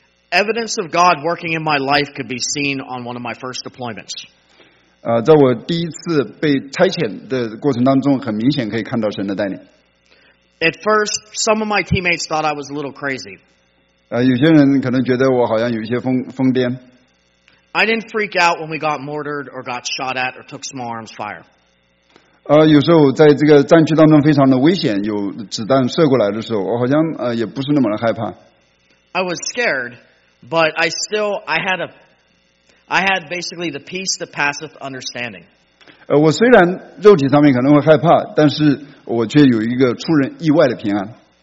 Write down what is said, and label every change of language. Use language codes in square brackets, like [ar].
[en] Evidence of God working in my life could be seen on one of my first deployments. [zh] 在我第一次被差遣的过程当中，很明显可以看到神的带领。 [en] At first, some of my teammates thought I was a little crazy. [zh] 有些人可能觉得我好像有一些疯癫。 [en] I didn't freak out when we got mortared or got shot at or took small arms fire. [zh] 有时候在这个战区当中非常的危险，有子弹射过来的时候，我好像也不是那么的害怕。 [en] I was scared, but I had a I had basically the peace that passeth understanding. [zh] 我虽然肉体上面可能会害怕，但是我却有一个出人意外的平安。